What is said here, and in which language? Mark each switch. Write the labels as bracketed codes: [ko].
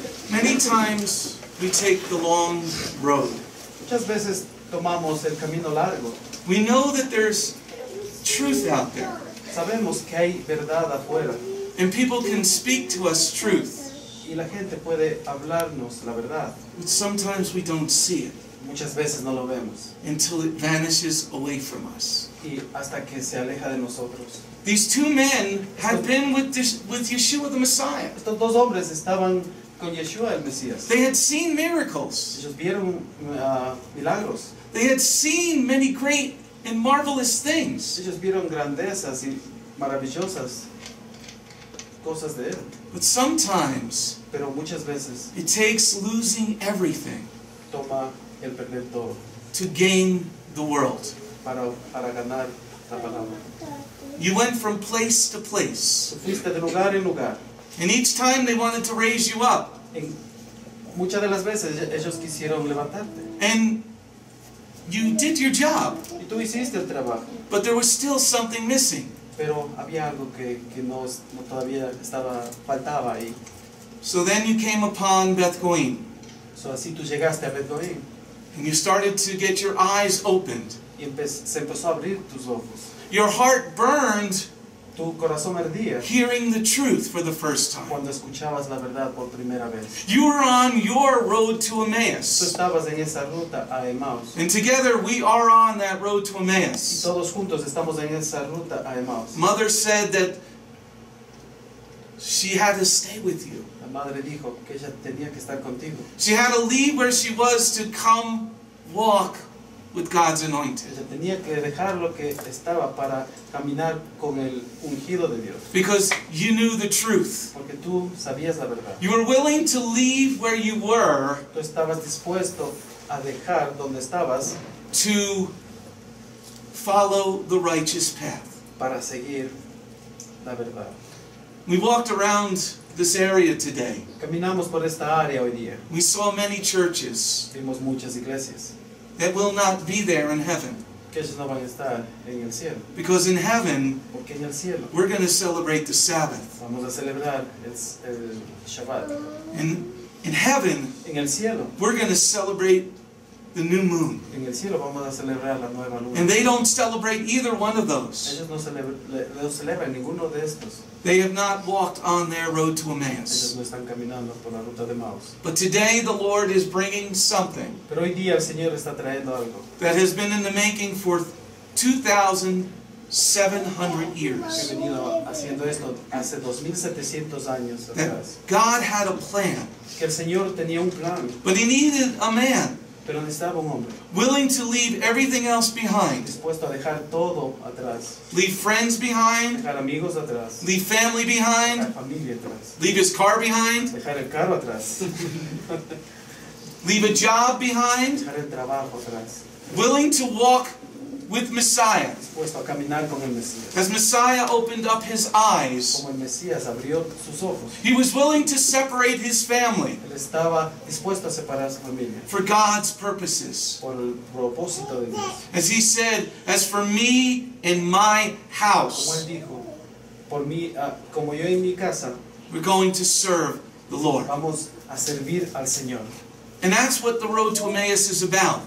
[en] Many times we take the long road. [es] Muchas veces tomamos el camino largo. [en] We know that there's truth out there. [es] Sabemos que hay verdad afuera. [en] And people can speak to us truth. [es] Y la gente puede hablarnos la verdad. [en] But sometimes we don't see it. [es] Muchas veces no lo vemos. [en] Until it vanishes away from us. [es] Y hasta que se aleja de nosotros. [en] These two men had been with Yeshua the Messiah. [es] Estos dos hombres estaban con Yeshua el Mesías. [en] They had seen miracles. [es] Ellos vieron milagros. [en] They had seen many great and marvelous things. [es] Ellos vieron grandezas y maravillosas cosas de él. [en] But sometimes, [es] pero muchas veces, [en] it takes losing everything [es] toma el perder todo [en] to gain the world. [es] Para ganar la palabra. [en] You went from place to place. [es] Fuiste de lugar en lugar. [en] And each time they wanted to raise you up. [es] En muchas de las veces ellos quisieron levantarte. [en] And you did your job. [es] Y tú hiciste el trabajo. [en] But there was still something missing. [es] Pero había algo que no todavía estaba, faltaba ahí. [en] So then you came upon Beth Goyim. [es] So así tú llegaste a Beth Goyim. [en] And you started to get your eyes opened. [es] Y se empezó a abrir tus ojos. [en] Your heart burned. [es] Tu corazón ardía. [en] Hearing the truth for the first time. [es] Cuando escuchabas la verdad por primera vez. [en] You were on your road to Emmaus. [es] Tú estabas en esa ruta a Emmaus. [en] And together we are on that road to Emmaus. [es] Y todos juntos estamos en esa ruta a Emmaus. [en] Mother said that she had to stay with you. [es] La madre dijo que ella tenía que estar contigo. [en] She had to leave where she was to come walk with God's anointed. [es] Tenía que dejar lo que estaba para caminar con el ungido de Dios. [en] Because you knew the truth. [es] Porque tú sabías la verdad. [en] You were willing to leave where you were. [es] Tú estabas dispuesto a dejar donde estabas. [en] To follow the righteous path. [es] Para seguir la verdad. [en] We walked around this area today. [es] Caminamos por esta área hoy día. [en] We saw many churches. [es] Vimos muchas iglesias. [en] That will not be there in heaven. [es] Que ellos no van a estar en el cielo. [en] Because in heaven, [es] porque en el cielo, [en] we're going to celebrate the Sabbath. [es] Vamos a celebrar el Shabbat. [en] In heaven, [es] en el cielo, [en] we're going to celebrate the new moon. [es] En el cielo vamos a celebrar la nueva luna. [en] And they don't celebrate either one of those. [es] Ellos no celebran ninguno de estos. [en] They have not walked on their road to Emmaus. [es] Ellos no están caminando por la ruta de Emmaus. [en] But today the Lord is bringing something. [es] Pero hoy día el Señor está trayendo algo. [en] That has been in the making for 2,700 years. [es] He venido haciendo esto hace 2,700 años atrás. [en] That God had a plan. [es] Que el Señor tenía un plan. [en] But he needed a man. [es] Pero necesitaba un hombre. [en] Willing to leave everything else behind. [es] Dispuesto a dejar todo atrás. [en] Leave friends behind. [es] Dejar amigos atrás. [en] Leave family behind. [es] Dejar familia atrás. [en] Leave his car behind. [es] Dejar el carro atrás. [en] Leave a job behind. [es] Dejar el trabajo atrás. [en] Willing to walk with Messiah. [es] Dispuesto a caminar con el Mesías. [en] As Messiah opened up his eyes. [es] Como el Mesías abrió sus ojos. [en] He was willing to separate his family. [es] Él estaba dispuesto a separar su familia. [en] For God's purposes. [es] Por el propósito de Dios. [en] As he said, as for me and my house. [es] Como él dijo, por mí, como yo y mi casa. [en] We're going to serve the Lord. [es] Vamos a servir al Señor. [en] And that's what the road to Emmaus is about.